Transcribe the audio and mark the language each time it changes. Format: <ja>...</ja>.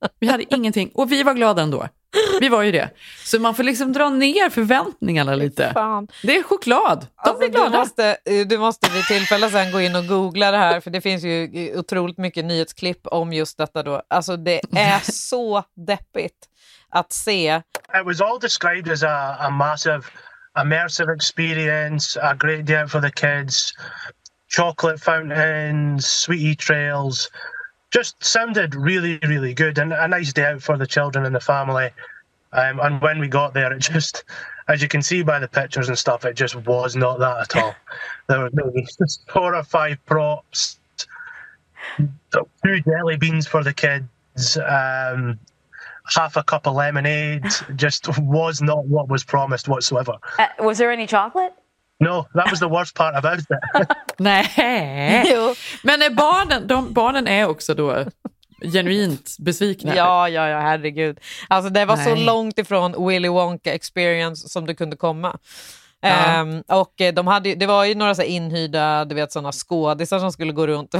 <sv>Vi hade ingenting, och vi var glada ändå. Vi var ju det. Så man får liksom dra ner förväntningarna lite. Fan. Det är choklad. De alltså, blir glada. Du måste vid tillfälle sen gå in och googla det här, för det finns ju otroligt mycket nyhetsklipp om just detta då. Alltså det är så deppigt att se.</sv> <en>It was all described as a massive immersive experience, a great day out for the kids, chocolate fountains, sweetie trails. Just sounded really, really good, and a nice day out for the children and the family. And when we got there, it just, as you can see by the pictures and stuff, it just was not that at all. There were maybe four or five props, two jelly beans for the kids, half a cup of lemonade. Just was not what was promised whatsoever. Was there any chocolate? No, that was the worst part about it.</en> <sv>Nej. Men är barnen, barnen är också då genuint besvikna. Ja, herregud. Alltså det var, nej, så långt ifrån Willy Wonka experience som du kunde komma. Och de hade, det var ju några så här inhyrda, du vet, såna skådisar som skulle gå runt.</sv>